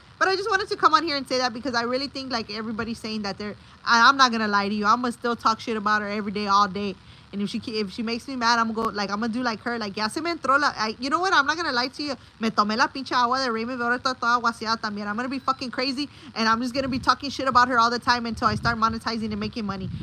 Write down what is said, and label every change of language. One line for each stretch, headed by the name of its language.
English: But I just wanted to come on here and say that because I really think, like, everybody's saying that they're, I'm not gonna lie to you, I'm gonna still talk shit about her every day, all day. And if she makes me mad, I'm gonna do like her. Like,
Spanish: ya se me entró la...
English: You know what? I'm not gonna lie to you.
Spanish: Me tomé la pinche agua de Raymond Villarreal toda aguaceada también.
English: I'm gonna be fucking crazy. And I'm just gonna be talking shit about her all the time until I start monetizing and making money.